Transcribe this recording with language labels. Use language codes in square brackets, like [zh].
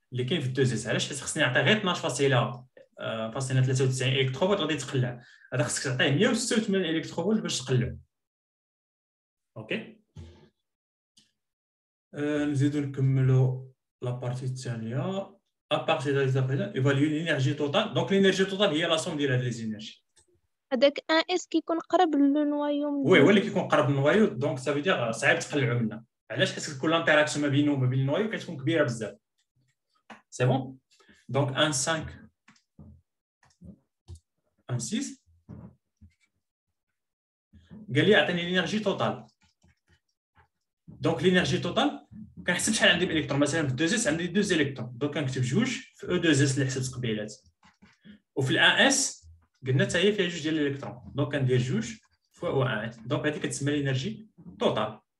[ar] اللي كاين في الدوز اس علاش حيت خصني نعطي غير 12.93 الكترو فولت غادي تقلع هذا خصك تعطيه 186 الكترو فولت باش تقلع اوكي نزيدو نكملو لابارتي الثانيه [fr] à partir de là, évaluer l'énergie totale. Donc l'énergie totale, il y a la somme de la désénergie. Avec un S qui est proche du noyau. Oui, oui, qui est proche du noyau. Donc ça veut dire que ça va être plus grand. Alors, est-ce que l'interaction entre nous et le noyau est plus grande? C'est bon? Donc 1,5, 1,6. Quelle est l'énergie totale? Donc l'énergie totale, [ar] كنحسب شحال عندي بالالكترون مثلا في الدوز اس عندي دوز الكترون دونك كنكتب جوج في او دوز اس اللي حسبت قبيلات وفي الان اس قلنا حتى هي فيها جوج ديال الالكترون دونك كندير جوج فوا او ان دونك هذه كتسمى الانرجي توتال